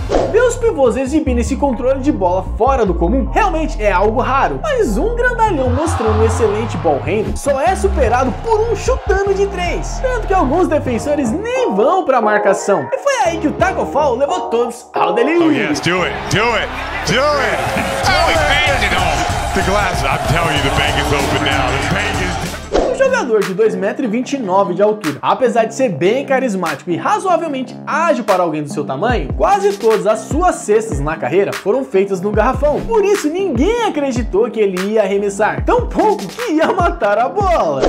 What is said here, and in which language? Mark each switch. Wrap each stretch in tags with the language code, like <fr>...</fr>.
<pt>Ver os pivôs exibindo esse controle de bola fora do comum realmente é algo raro, mas um grandalhão mostrando um excelente ball handling só é superado por um chutando de três, tanto que alguns defensores nem vão pra marcação. E foi aí que o Taco Fall levou todos ao delírio.</pt> <en>Oh, yes, do it, do it, do it! Oh, he fanned it all! The glass, I'm telling you, the bank is open now, the bank is...</en> <pt>Jogador de 2,29m de altura, apesar de ser bem carismático e razoavelmente ágil para alguém do seu tamanho, quase todas as suas cestas na carreira foram feitas no garrafão, por isso ninguém acreditou que ele ia arremessar, tampouco que ia matar a bola.</pt>